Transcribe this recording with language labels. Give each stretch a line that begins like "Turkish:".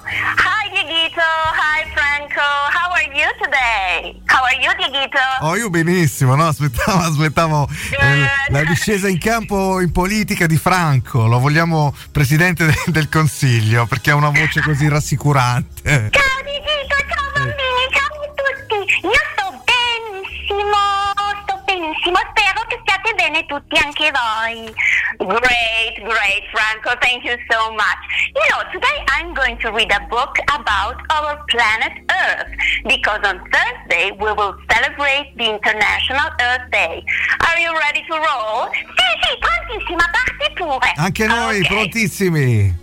English: Hi Dieguito, hi Franco, how are you today? How are you Dieguito?
Italian: Oh, io benissimo, no? Aspettavo la discesa in campo in politica di Franco, lo vogliamo presidente del consiglio. Perché ha una voce così rassicurante. Ciao Dieguito, ciao bambini, ciao a tutti. Io sto benissimo, spero che stiate bene tutti anche voi.
English: Great, great, Franco, thank you so much. You know, today I'm going to read a book about our planet Earth, because on Thursday we will celebrate the International Earth Day. Are you ready to roll?
Italian: Sì, sì, prontissima, parti pure. Anche noi, okay. Prontissimi.